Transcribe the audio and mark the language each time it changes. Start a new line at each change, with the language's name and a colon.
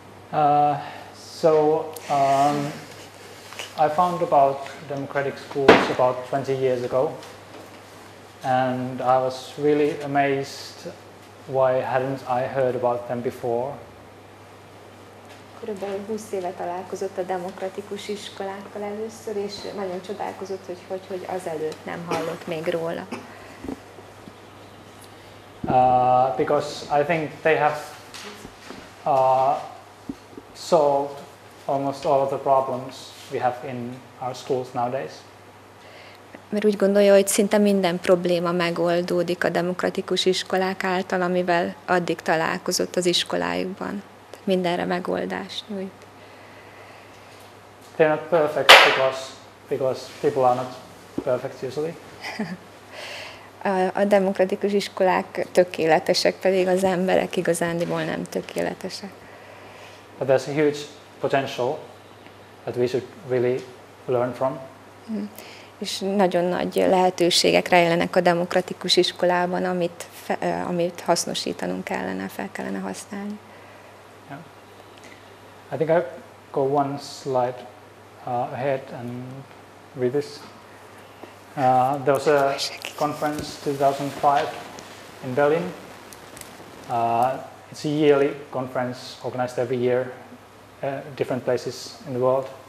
English: I found about democratic schools about 20 years ago, and I was really amazed why hadn't I heard about them before.
Hungarian: Körülbelül 20 éve találkozott a demokratikus iskolákkal először, és nagyon csodálkozott, hogy azelőtt nem hallott még róla.
English: Because I think they have solved almost all of the problems we have in our schools nowadays.
Hungarian: Mert úgy gondolja, hogy szinte minden probléma megoldódik a demokratikus iskolák által, amivel addig találkozott az iskolájukban. Tehát mindenre megoldás nyújt.
English: They're not perfect because people are not perfect usually.
Hungarian: A demokratikus iskolák tökéletesek, pedig az emberek igazándiból nem tökéletesek.
English: But there's a huge potential that we should really learn from.
Hungarian: És nagyon nagy lehetőségek rejlenek a demokratikus iskolában, amit hasznosítanunk kellene, fel kellene használni.
English: Yeah. I think I'll go one slide ahead and read this. There was a conference 2005 in Berlin. It's a yearly conference organized every year different places in the world.